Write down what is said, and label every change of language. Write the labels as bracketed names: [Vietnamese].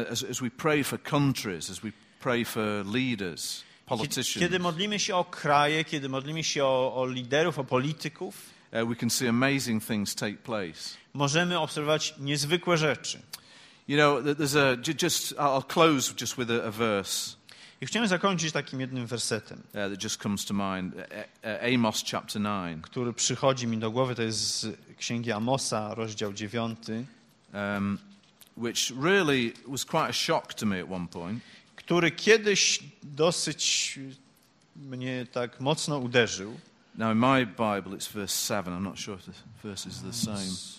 [English] As we pray for countries, as we pray for leaders, politicians. [Polish] Kiedy modlimy się o kraje, kiedy modlimy się o liderów, o polityków, [English] we can see amazing things take place. [Polish] Możemy obserwować niezwykłe rzeczy. [English] You know, there's a just I'll close just with a verse. [Polish] I chciałem zakończyć takim jednym wersetem. [English] That just comes to mind. Amos chapter 9. [Polish] Który przychodzi mi do głowy, to jest z Księgi Amosa, rozdział 9. [English] Which really was quite a shock to me at one point. [Polish] Który kiedyś dosyć mnie tak mocno uderzył. [English] Now in my Bible it's verse 7. I'm not sure if the verse is the same.